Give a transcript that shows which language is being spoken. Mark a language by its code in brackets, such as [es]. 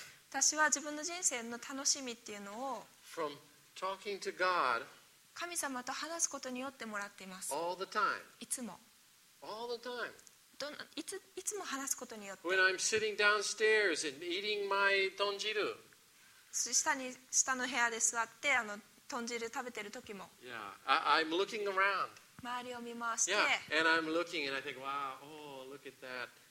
[ja] 私は自分の人生の楽しみっていうのを [en] from Talking to God, [ja] 神様と話すことによってもらっています。 [en] All the time. [ja] いつも。 [en] All the time. [ja] いつも話すことによって。 [en] When I'm sitting downstairs and eating my 豚汁。 [ja] 下の部屋で座って豚汁食べてる時も。 [en] Yeah, I'm looking around. [ja] 周りを見回して。 [en] Yeah, and I'm looking and I think, wow, oh, look at that.